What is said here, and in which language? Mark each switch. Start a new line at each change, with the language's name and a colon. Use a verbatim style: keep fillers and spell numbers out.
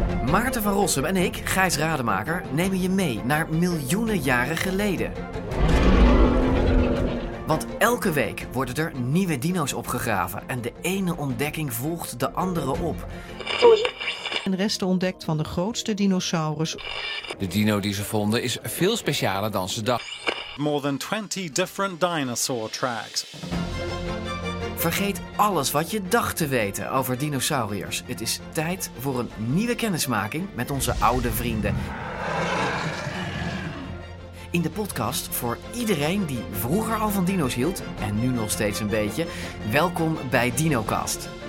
Dutch: Maarten van Rossum en ik, Gijs Rademaker, nemen je mee naar miljoenen jaren geleden. Want elke week worden er nieuwe dino's opgegraven en de ene ontdekking volgt de andere op. En resten ontdekt van de grootste dinosaurus. De dino die ze vonden is veel specialer dan ze dachten.
English: More than twenty different dinosaur tracks.
Dutch: Vergeet alles wat je dacht te weten over dinosauriërs. Het is tijd voor een nieuwe kennismaking met onze oude vrienden. In de podcast voor iedereen die vroeger al van dino's hield en nu nog steeds een beetje. Welkom bij DinoCast.